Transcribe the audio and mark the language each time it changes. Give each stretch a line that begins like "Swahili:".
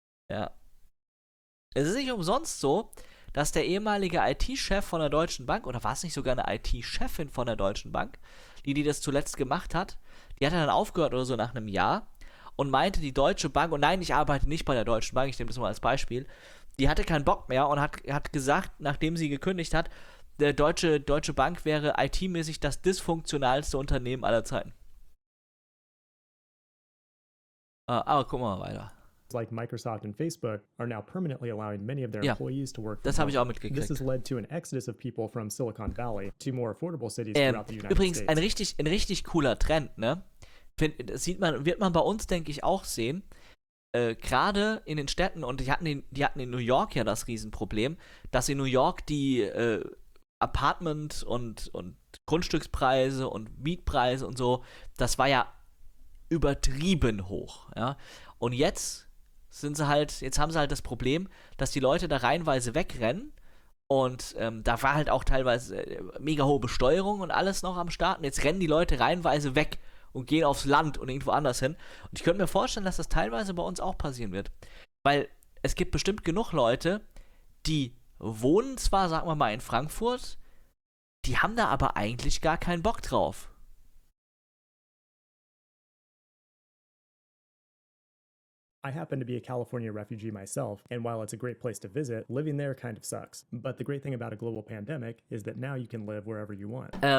German: Ja. Es ist nicht umsonst so, dass der ehemalige IT-Chef von der Deutschen Bank, oder war es nicht sogar eine IT-Chefin von der Deutschen Bank, die das zuletzt gemacht hat, die hat dann aufgehört oder so nach einem Jahr und meinte, die Deutsche Bank, und nein, ich arbeite nicht bei der Deutschen Bank, ich nehme das mal als Beispiel, die hatte keinen Bock mehr und hat gesagt, nachdem sie gekündigt hat, der Deutsche Bank wäre IT-mäßig das dysfunktionalste Unternehmen aller Zeiten. Aber gucken wir mal weiter.
English: Like Microsoft and Facebook are now permanently allowing many of their employees to work.
German: Das habe ich auch mitgekriegt.
English: This has led to an exodus of people from Silicon Valley to more affordable cities throughout the United States.
German: Übrigens ein richtig cooler Trend, ne? Wird man bei uns, denke ich, auch sehen. Gerade in den Städten, und die hatten in New York ja das Riesenproblem, dass in New York die Apartment und Grundstückspreise und Mietpreise und so, das war ja übertrieben hoch, ja? Und jetzt haben sie halt das Problem, dass die Leute da reihenweise wegrennen und da war halt auch teilweise mega hohe Besteuerung und alles noch am Start und jetzt rennen die Leute reihenweise weg und gehen aufs Land und irgendwo anders hin. Und ich könnte mir vorstellen, dass das teilweise bei uns auch passieren wird, weil es gibt bestimmt genug Leute, die wohnen zwar, sagen wir mal, in Frankfurt, die haben da aber eigentlich gar keinen Bock drauf.
English: I happen to be a California refugee myself, and while it's a great place to visit, living there kind of sucks. But the great thing about a global pandemic is that now you can live wherever you want.